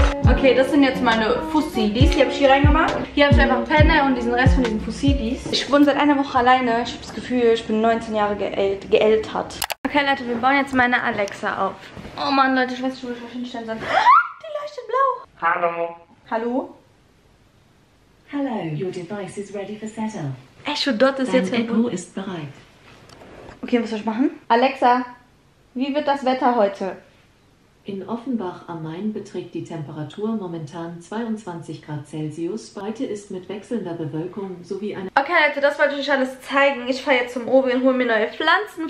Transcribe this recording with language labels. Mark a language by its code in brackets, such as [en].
[de] Okay, das sind jetzt meine Fussidis. Die habe ich hier reingemacht. Hier habe ich einfach Penne und diesen Rest von diesen Fussidis. Ich wohne seit einer Woche alleine. Ich habe das Gefühl, ich bin 19 Jahre gealtert. Okay, Leute, wir bauen jetzt meine Alexa auf. Oh Mann, Leute, ich weiß nicht, wo ich mich hinstellen soll. Die leuchtet blau. Hallo. Hallo? [en] Hallo, your device is ready for setup. [de] Echo Dot ist jetzt verbunden. Dein Echo ist bereit. Okay, was soll ich machen? Alexa, wie wird das Wetter heute? In Offenbach am Main beträgt die Temperatur momentan 22 Grad Celsius. Heute ist mit wechselnder Bewölkung sowie eine... Okay, Leute, das wollte ich euch alles zeigen. Ich fahre jetzt zum Obi und hole mir neue Pflanzen.